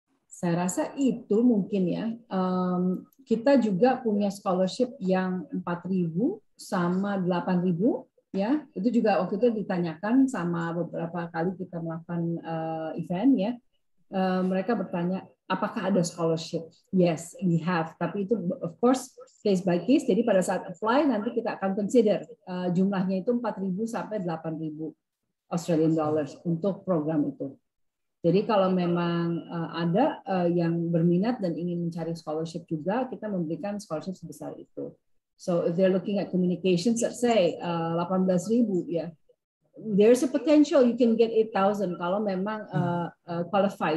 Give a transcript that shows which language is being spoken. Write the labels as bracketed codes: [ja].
[id] Saya rasa itu mungkin ya. Kita juga punya scholarship yang 4.000 sama 8.000 ya. Itu juga waktu itu ditanyakan sama beberapa kali kita melakukan event ya. Mereka bertanya apakah ada scholarship? [en] Yes, we have. [id] Tapi itu [en] of course case by case. [id] Jadi pada saat apply nanti kita akan consider jumlahnya itu 4.000 sampai 8.000 Australian dollars untuk program itu. Jadi kalau memang ada yang berminat dan ingin mencari scholarship juga, kita memberikan scholarship sebesar itu. [en] So if they're looking at communications, let's say 18.000, ya, yeah, there's a potential you can get 8,000 [id] kalau memang qualify.